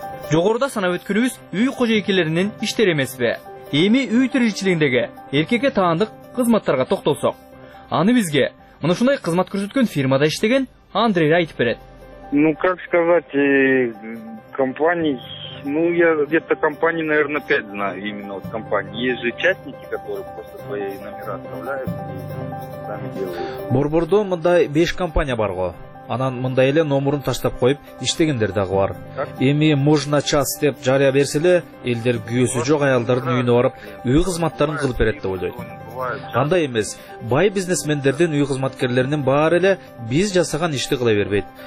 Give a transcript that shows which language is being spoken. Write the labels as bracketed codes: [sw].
[ky] Жогоруда санап өткөнүбүз үй кожоэкелеринин иштери эмеспи? Эми үй тиричилигиндеги эркекке таандык кызматтарга токтолсок, аны бизге мына ушундай кызмат көрсөткөн фирмада иштеген Андрей айтып берет. [ru] Ну как сказать, компаний. Ну, я где-то компаний, наверное, 5 знаю, именно вот компаний. Есть же частники, которые просто свои номера оставляют и сами делают. [ky] Борбордо мындай 5 компания бар го. Анан мындай эле номерун таштап коюп, иштегендер дагы бар. Эми [ru] можно час [ky] деп жарыя берсе эле, элдер күйөсү жок аялдардын үйүнө барып, үй кызматтарын кылып берет деп ойлойт. Кандай эмес, бай бизнесмендерден үй кызматкерлеринин баары эле биз жасаган ишти кыла бербейт.